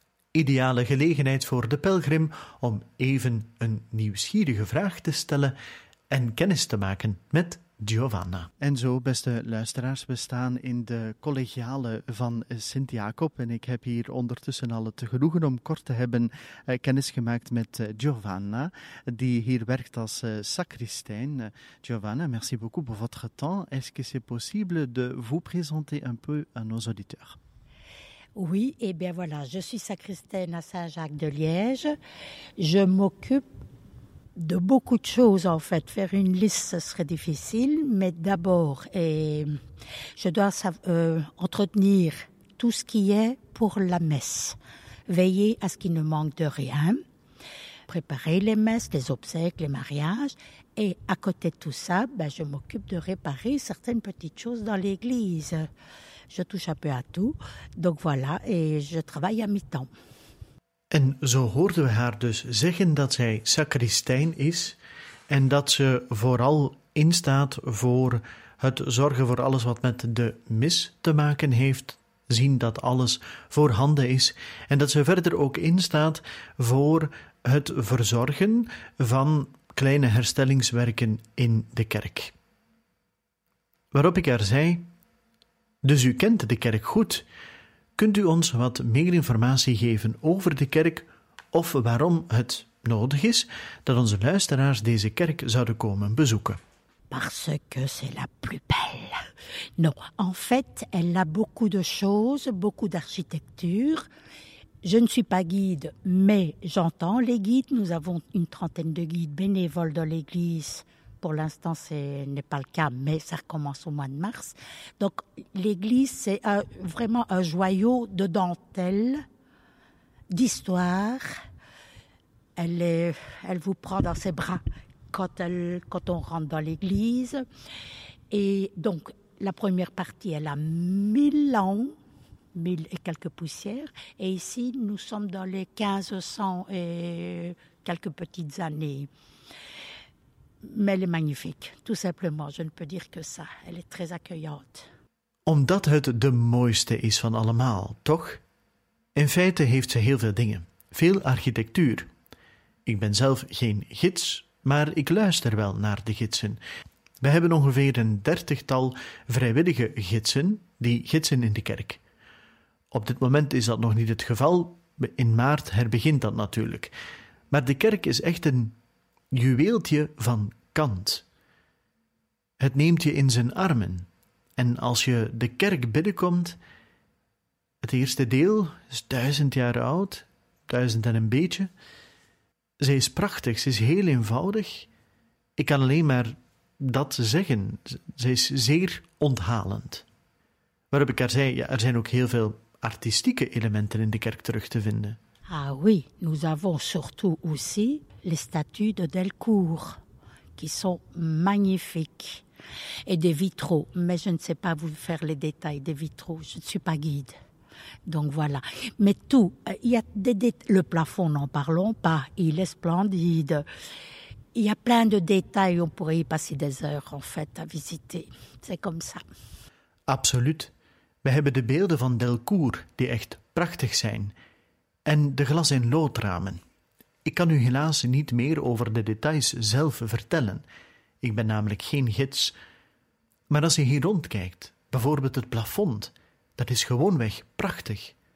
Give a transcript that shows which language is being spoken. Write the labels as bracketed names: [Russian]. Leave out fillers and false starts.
[Dutch] Ideale gelegenheid voor de pelgrim om even een nieuwsgierige vraag te stellen en kennis te maken met Giovanna. En zo, beste luisteraars, we staan in de collegiale van Sint-Jacob en ik heb hier ondertussen al het genoegen om kort te hebben kennis gemaakt met Giovanna, die hier werkt als sacristijn. [French] Giovanna, merci beaucoup pour votre temps. Est-ce que c'est possible de vous présenter un peu à nos auditeurs? Oui, et bien voilà, je suis sacristaine à Saint-Jacques-de-Liège. Je m'occupe de beaucoup de choses, en fait. Faire une liste, ce serait difficile. Mais d'abord, je dois entretenir tout ce qui est pour la messe. Veiller à ce qu'il ne manque de rien. Préparer les messes, les obsèques, les mariages. Et à côté de tout ça, ben, je m'occupe de réparer certaines petites choses dans l'église. Je touche un peu à tout. Donc voilà, et je travaille à mi-temps. [Dutch] En zo hoorden we haar dus zeggen dat zij sacristijn is en dat ze vooral instaat voor het zorgen voor alles wat met de mis te maken heeft, zien dat alles voorhanden is en dat ze verder ook instaat voor het verzorgen van kleine herstellingswerken in de kerk. Waarop ik haar zei, dus u kent de kerk goed. Kunt u ons wat meer informatie geven over de kerk of waarom het nodig is dat onze luisteraars deze kerk zouden komen bezoeken? [French] Parce que c'est la plus belle. Non, en fait, elle a beaucoup de choses, beaucoup d'architecture. Je ne suis pas guide, mais j'entends les guides. Nous avons une trentaine de guides bénévoles dans l'église. Pour l'instant, ce n'est pas le cas, mais ça recommence au mois de mars. Donc, l'église, c'est vraiment un joyau de dentelle, d'histoire. Elle vous prend dans ses bras quand on rentre dans l'église. Et donc, la première partie, elle a 1000 ans, 1000 et quelques poussières. Et ici, nous sommes dans les 1500 et quelques petites années. Mais elle est magnifique, tout simplement. Je ne peux dire que ça. Elle est très accueillante. [Dutch] Omdat het de mooiste is van allemaal, toch? In feite heeft ze heel veel dingen. Veel architectuur. Ik ben zelf geen gids, maar ik luister wel naar de gidsen. We hebben ongeveer een 30-tal vrijwillige gidsen die gidsen in de kerk. Op dit moment is dat nog niet het geval. In maart herbegint dat natuurlijk. Maar de kerk is echt een juweeltje van kant. Het neemt je in zijn armen. En als je de kerk binnenkomt, het eerste deel is 1000 jaar oud, 1000 en een beetje. Ze is prachtig, ze is heel eenvoudig. Ik kan alleen maar dat zeggen. Ze is zeer onthalend. Waarop ik haar zei, ja, er zijn ook heel veel artistieke elementen in de kerk terug te vinden. [French] Ah oui, nous avons surtout aussi les statues de Delcourt, qui sont magnifiques, et des vitraux. Mais je ne sais pas vous faire les détails des vitraux, je ne suis pas guide. Donc voilà. Mais tout, il y a le plafond, n'en parlons pas, il est splendide. Il y a plein de détails, on pourrait y passer des heures en fait à visiter. C'est comme ça. [Dutch] Absoluut. We hebben de beelden van Delcourt, die echt prachtig zijn. En de glas- en loodramen. Ik kan u helaas niet meer over de details zelf vertellen. Ik ben namelijk geen gids. Maar als u hier rondkijkt, bijvoorbeeld het plafond, dat is gewoonweg prachtig.